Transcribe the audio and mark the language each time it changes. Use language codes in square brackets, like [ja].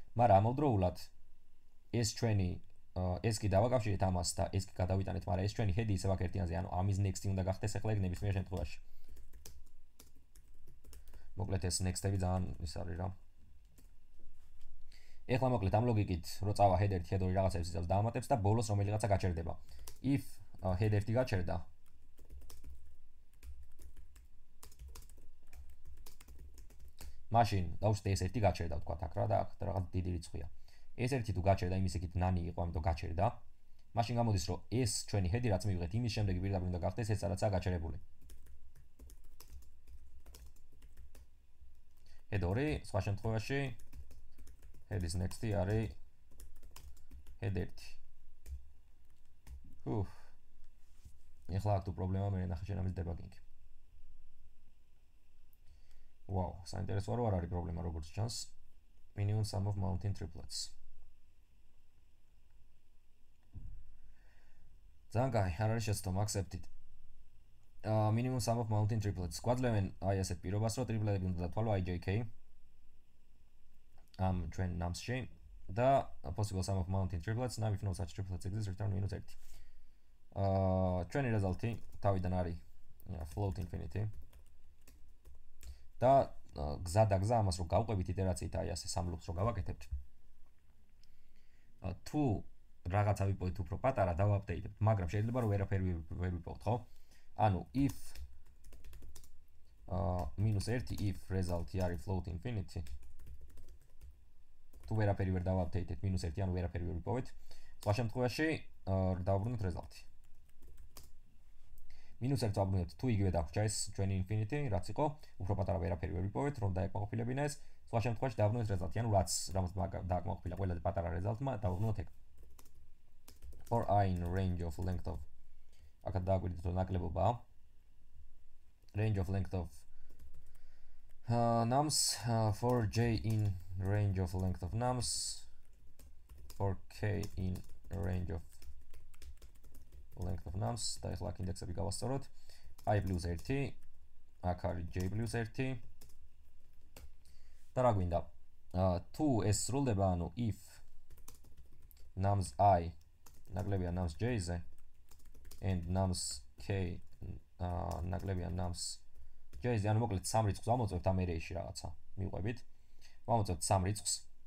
[ka] მაგრამ ამავდროულად ეს ჩვენი ეს კი დავაკავშირეთ ამას და ეს კი გადავიტანეთ, მაგრამ ეს ჩვენი head-ი ისევ აქ ერთიანზე, ანუ ამის next-ი უნდა გახდეს ეხლა ეგ ნებისმიერ შემთხვევაში. მოკლედ ეს next-ები ძალიან ის არის რა. ეხლა მოკლედ ამ ლოგიკით რო წავა head 1, head 2 რაღაცებს ისევ დაამატებს და ბოლოს რომელი რაღაცა გაჩერდება. [en] If head 1 [ka] გაჩერდა. მაშინ დავუშვათ ეს 1 გაჩერდა თქვა აქ რა და აქ რაღაც დიდი რიცხვია. ეს ერთი თუ გაჩერდა, იმის ეგეთ ნანი იყო, ამიტომ გაჩერდა. მაშინ გამოდის, რომ ეს ჩვენი head-ი რაც მივიღეთ, იმის შემდეგი პირდაპირ უნდა გახდეს ეს, რაცა გაჩერებული. head 2, სხვა შემთხვევაში head-ის next-ი არის head 1. ჰუ. ეხლა აქ თუ პრობლემა, მე ნახე შენამის დებაგინგი. ვაუ, საინტერესოა, რა არის პრობლემა როგორც ჩანს. [en] minimum sum of mountain triplets. [ka] ძალიან კაი, არ არის შეცდომა, [en] accept it. minimum sum of mountain triplets. [ka] გვაძლევენ აი ასეთ პირობას, რომ ტრიპლეტები უნდა დათვალო IJK. ჩვენ ნამსში და [en] possible sum of mountain triplets, now if no such triplets exist return minus 1. [ka] ჩვენი result-ი თავიდან არის float infinity. და გზადა გზა ამას რომ გავყვებით იტერაციით, აი ასე სამ ლუპს რომ გავაკეთებთ. თუ რაღაცა ვიპოვეთ უფრო პატარა და ვაპდეიტებთ, მაგრამ შეიძლება რომ ვერაფერი ვერ ვიპოვოთ, ხო? ანუ if -1 if result-ი არის float infinity. თუ ვერაფერი ვერ დავაპდეიტეთ -1, ანუ ვერაფერი ვერ ვიპოვეთ. სხვა შემთხვევაში დავბრუნოთ რეზალტი. მინუსებს დავბრუნოთ, თუ იგივე დაგვრჩა ეს ჩვენი ინფინიტი, რაც იყო, უფრო პატარა ვერაფერი ვერ ვიპოვეთ, რომ დაეკმაყოფილებინა ეს. სხვა შემთხვევაში დავბრუნოთ რეზალტი, ანუ რაც რამაც დააკმაყოფილა ყველაზე პატარა რეზალტმა, დავბრუნოთ ეგ. [en] For i in range of length of [ka] აქ დააკვირდით რომ ნაკლებობაა. [en] Range of length of nums for j in range of length of nums for k in range of length of nums [ka] და ეს ლაკ ინდექსები გავასწოროთ. [en] I plus 1 აქ არის j plus 1 [ka] და რა გვინდა? თუ ეს სრულდება, ანუ if nums i ნაკლებია nums j-ზე and nums k ნაკლებია nums j-ზე, ანუ მოკლედ სამ რიცხვს ამოწევთ ამ array-ში რაღაცა მიყვებით. ამოწევთ სამ რიცხვს.